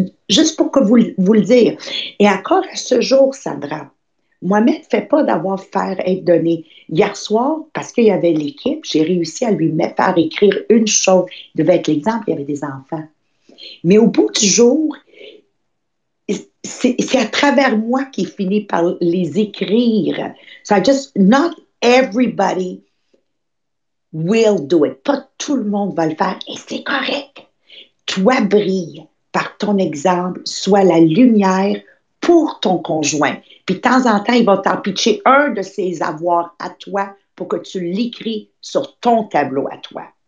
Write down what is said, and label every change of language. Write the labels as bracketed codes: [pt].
[fr] Juste pour que vous le dire. Et encore à ce jour, Sandra, Mohamed ne fait pas d'avoir faire et donner. Hier soir, parce qu'il y avait l'équipe, j'ai réussi à lui mettre faire écrire une chose. Il devait être l'exemple, il y avait des enfants. Mais au bout du jour, c'est à travers moi qu'il finit par les écrire. [en] So just not everybody will do it. [fr] Pas tout le monde va le faire et c'est correct. Toi, brille par ton exemple, sois la lumière pour ton conjoint. Puis de temps en temps, il va t'en pitcher un de ses avoirs à toi pour que tu l'écris sur ton tableau à toi.